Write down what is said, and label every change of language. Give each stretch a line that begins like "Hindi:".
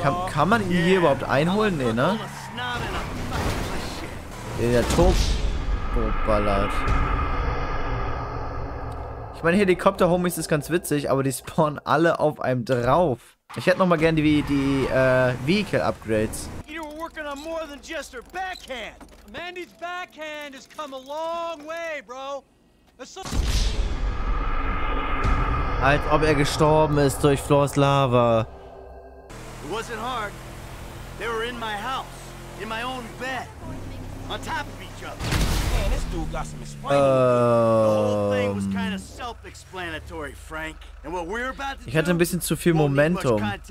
German: Kann man ihn hier überhaupt einholen? Nee, ne? Der Turbo ballert. Ich meine, Helikopter-Homies ist ganz witzig, aber die spawnen alle auf einem drauf. Ich hätte nochmal gerne die Vehicle Upgrades.
English: Peter, we're working on more than just her backhand. Mandy's backhand has come a long way, bro.
German: Als ob er gestorben ist durch Flors Lava.
English: It wasn't hard. They were in my house, in my own bed, on top of each other. Man, this dude got some explaining. The whole thing was kind of self-explanatory, Frank. And what we're about to do.
German: Ich hatte ein bisschen zu viel Momentum.